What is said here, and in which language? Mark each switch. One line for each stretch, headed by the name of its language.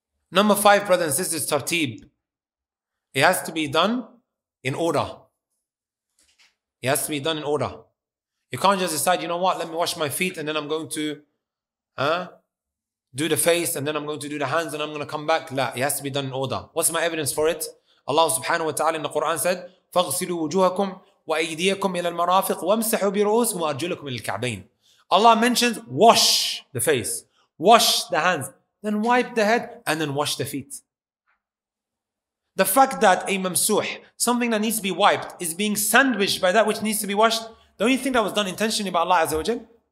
English: Number five, brothers and sisters, tartib. It has to be done in order. It has to be done in order. You can't just decide, you know what, let me wash my feet and then I'm going to do the face and then I'm going to do the hands and I'm going to come back. لا, it has to be done in order. What's my evidence for it? Allah subhanahu wa ta'ala in the Quran said,
Arabic: فَغْسِلُوا وُجُوهَكُمْ وَأَيْدِيَكُمْ إِلَى الْمَرَافِقِ وَامْسَحُوا بِرُؤُوسِكُمْ وَأَرْجُلَكُمْ إِلَى الْكَعْبَيْنِ.
English: Allah mentions, wash the face, wash the hands, then wipe the head and then wash the feet. The fact that a mamsuh, something that needs to be wiped, is being sandwiched by that which needs to be washed, don't you think that was done intentionally by Allah Azza wa Jal?